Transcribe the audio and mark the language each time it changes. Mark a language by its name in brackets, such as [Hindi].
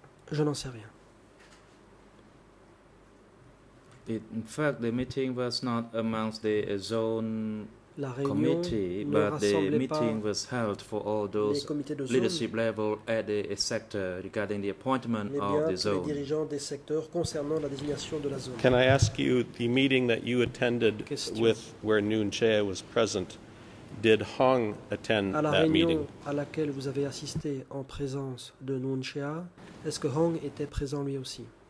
[French] Je n'en sais rien. [English] In fact, the meeting was not amongst the zone committee, but the meeting was held for all those leadership level at the sector regarding the appointment of the zone. [French] Les dirigeants des secteurs concernant la désignation de la zone. [English] Can I ask you the meeting that you attended with where Nguyen Che was present? Did Hong attend [French] à la [English] that meeting? [French] À laquelle vous avez assisté en présence de Nguyen Che, est-ce que Hong était présent lui aussi?